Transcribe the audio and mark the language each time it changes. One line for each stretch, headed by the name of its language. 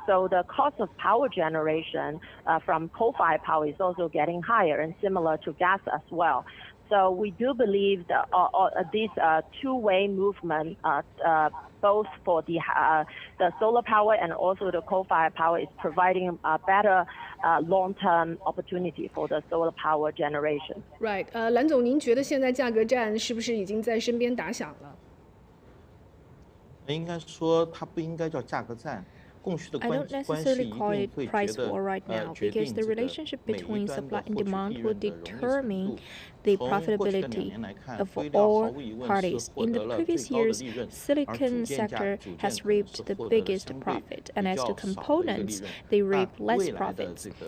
English: So the cost of power generation from coal-fired power is also getting higher and similar to gas as well. So we do believe that these two-way movement, both for the solar power and also the coal-fired power, is providing a better long-term opportunity for the solar power generation. Right.
Chinese: 蓝总，您觉得现在价格战是不是已经在身边打响了？应该说它不应该叫价格战。
English: I don't necessarily call it price war right now, because the relationship between supply and demand will determine the profitability of all parties. In the previous years, silicon sector has reaped the biggest profit, and as to components, they reap less profits.